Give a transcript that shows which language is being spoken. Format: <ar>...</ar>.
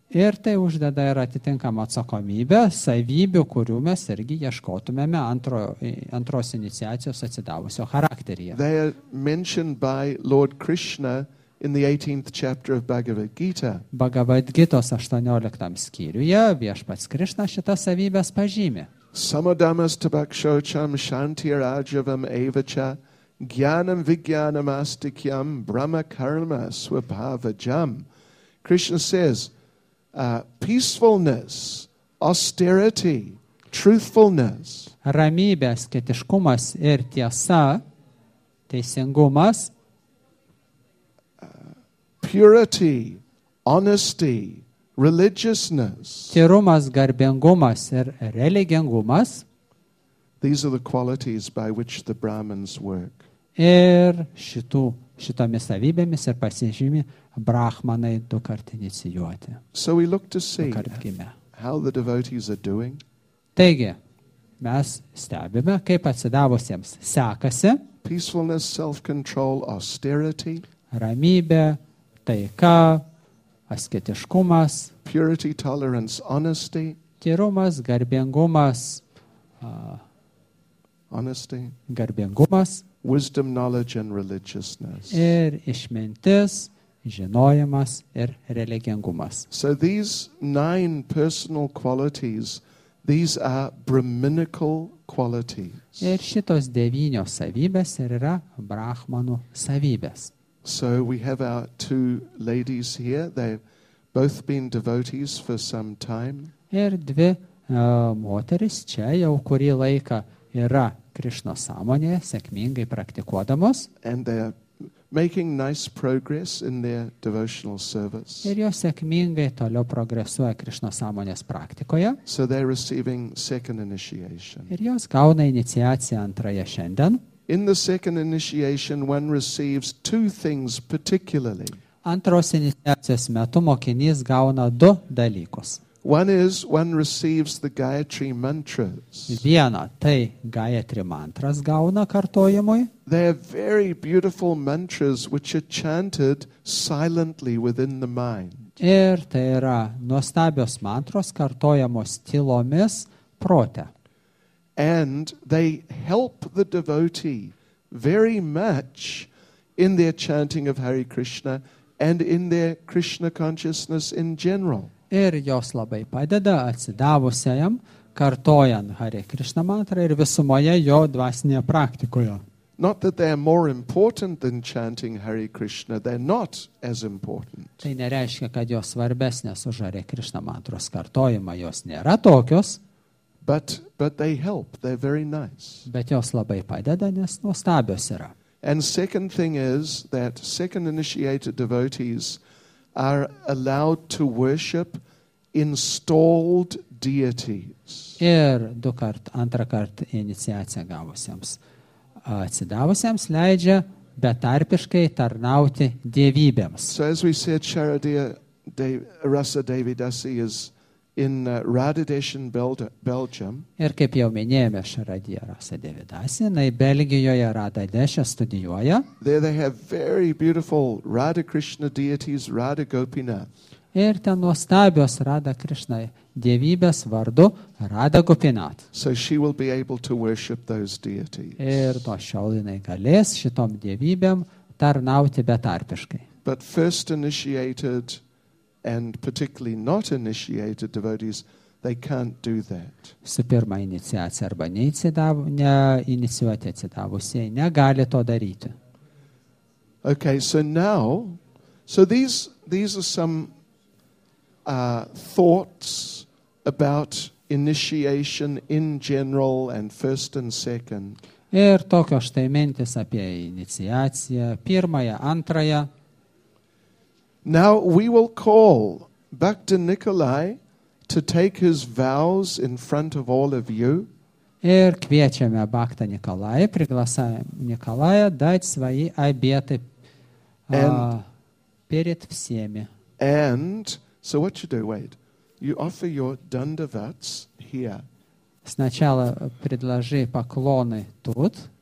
<lt>Ir tai uždeda ir atitinkamą atsakomybę, savybių, kurių mes irgi ieškotumėme antros iniciacijos atsidavusio charakteryje.</lt> <en>They are mentioned by Lord Krishna in the 18th chapter of Bhagavad Gita.</en> <lt>Bhagavad Gitos 18th skyriuje viešpats Krishna šitas savybes pažymi.</lt> <sa>Samodamas tabakshocham shantir ajavam evacha gyanam vigyanam astikyam brahma karma swabhavajam.</sa> <en>Krishna says, peacefulness, austerity, truthfulness.</en> <lt>Ramybė, skeptiškumas ir tiesa, teisingumas.</lt> <en>Purity, honesty, religiousness.</en> <lt>Tyrumas, garbingumas ir religingumas.</lt> <en>These are the qualities by which the Brahmins work.</en> <lt>Ir šitomis savybėmis ir pasižymi brahmanai du kart inicijuoti.</lt> <en>So we look to see how the devotees are doing.</en> <lt>Taigi, mes stebime, kaip atsidavusiems sekasi.</lt> <en>Peacefulness, self-control, austerity.</en> <lt>Ramybė, taika, asketiškumas,</lt> <en>purity, tolerance, honesty,</en> <lt>tyrumas, garbingumas,</lt> <en>honesty,</en> <lt>garbingumas,</lt> <en>wisdom, knowledge and religiousness.</en> <lt>Ir išmintis, žinojimas ir religingumas.</lt> <en>So these nine personal qualities, these are brahminical qualities.</en> <lt>Ir šitos devynios savybės ir yra brahmanų savybės.</lt> <en>So we have our two ladies here. They've both been devotees for some time.</en> <lt>Ir dvi moteris čia jau kurį laiką yra Krišno sąmonėje, sėkmingai praktikuodamos.</lt> <en>And they are making nice progress in their devotional service.</en> <lt>Ir jos sėkmingai toliau progresuoja Krišno sąmonės praktikoje.</lt> <en>So they are receiving second initiation.</en> <lt>Ir jos gauna iniciaciją antrąją šiandien.</lt> <en>In the second initiation, one receives two things particularly.</en> <lt>Antros iniciacijos metu mokinys gauna du dalykus.</lt> <en>One is one receives the Gayatri mantras.</en> <lt>Viena, tai Gayatri mantras gauna kartojimui.</lt> <en>They are very beautiful mantras which are chanted silently within the mind.</en> <lt>Ir tai yra nuostabios mantros kartojamos tylomis prote.</lt> <en>And they help the devotee very much in their chanting of Hare Krishna and in their Krishna consciousness in general.</en> <lt>Ir jos labai padeda atsidavusiajam, kartojant Hare Krishna mantrą ir visumoje jo dvasinėje praktikoje.</lt> <en>Not that they are more important than chanting Hare Krishna, they're not as important.</en> <lt>Tai nereiškia, kad jos svarbesnės už Hare Krishna mantros kartojimą, jos nėra tokios.</lt> <en>But they help, they're very nice.</en> <lt>Bet jos labai padeda, nes nuostabios yra.</lt> <en>And second thing is that second initiated devotees are allowed to worship installed deities.</en> <lt>Ir antrą kart iniciaciją gavusiems atsidavusiems leidžia betarpiškai tarnauti dievybėms.</lt> <en>So as we said, Sharadiya Rasa Devidasi is in Radadeshin, Belgium.</en> <lt>Ir kaip jau minėjome, Sharadiya Rasa Devidasi, jinai Belgijoje Radadeshe studijuoja.</lt> <en>There they have very beautiful Radha Krishna deities, Radha Gopinath.</en> <lt>Ir ten nuostabios Radha Krishna dievybės vardu Radha Gopinath.</lt> <en>So she will be able to worship those deities.</en> <lt>Ir nuo šiol jinai galės šitom dievybėm tarnauti betarpiškai.</lt> <en>But first initiated and particularly not initiated devotees, they can't do that.</en> <lt>Su pirma iniciacija arba neinicijuoti atsidavusieji negali to daryti.</lt> <en>Okay, so these are some thoughts about initiation in general and first and second.</en> <lt>Ir tokios štai mintis apie iniciaciją, pirmąją, antrąją.</lt> <en>Now we will call Bhakti Nikolai to take his vows in front of all of you.</en> <lt>Ir kviečiame Bhakti Nikolai,</lt> <ru>priglasame Nikolai, dai svoji abietai perit всеми.</ru> <en>And so what you do, wait. You offer your dandavats here.</en> <ru>Сначала предложи поклоны тут.</ru>